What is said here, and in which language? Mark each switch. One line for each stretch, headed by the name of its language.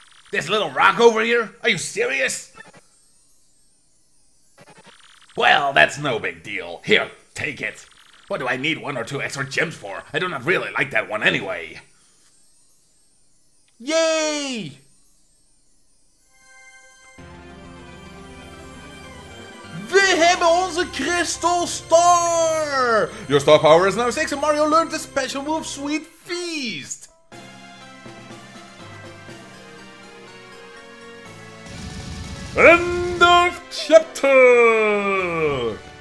Dutch: This little rock over here? Are you serious? Well, that's no big deal. Here, take it. What do I need one or two extra gems for? I do not really like that one anyway. Yay!
English: We hebben onze Crystal Star! Your star power is now 6 and Mario learned the special move Sweet Feast! End of chapter!